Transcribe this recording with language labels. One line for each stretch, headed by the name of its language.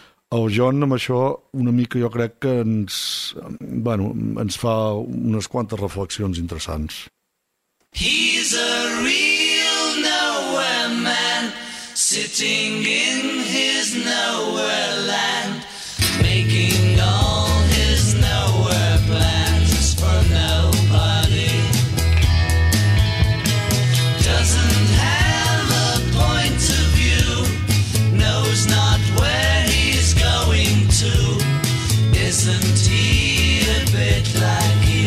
Catalan: El John, amb això, una mica, jo crec que ens, bueno, ens fa unes quantes reflexions interessants.
English: He's a real nowhere man, sitting in his nowhere land, making all his nowhere plans for nobody. Doesn't have a point of view, knows not where he's going to. Isn't he a bit like